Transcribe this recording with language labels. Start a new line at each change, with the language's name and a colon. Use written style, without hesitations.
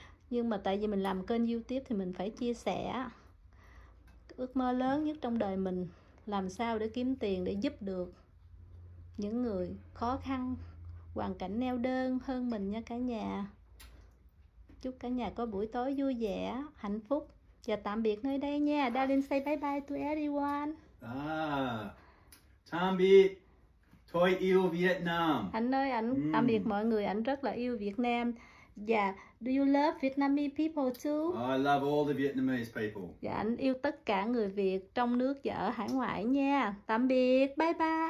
Vietnamese: Nhưng mà tại vì mình làm kênh YouTube thì mình phải chia sẻ. Ước mơ lớn nhất trong đời mình, làm sao để kiếm tiền để giúp được những người khó khăn, hoàn cảnh neo đơn hơn mình nha cả nhà. Chúc cả nhà có buổi tối vui vẻ, hạnh phúc. Và tạm biệt nơi đây nha.
English: Darling say bye bye to everyone.
Vietnamese: Tạm biệt. Tôi yêu Việt Nam. Anh ơi, anh tạm biệt mọi người. Anh rất là yêu Việt Nam. Và yeah.
English: Do you love Vietnamese people too? I love all the Vietnamese people.
Vietnamese: Và anh yêu tất cả người Việt trong nước và ở hải ngoại nha. Tạm biệt.
English: Bye bye.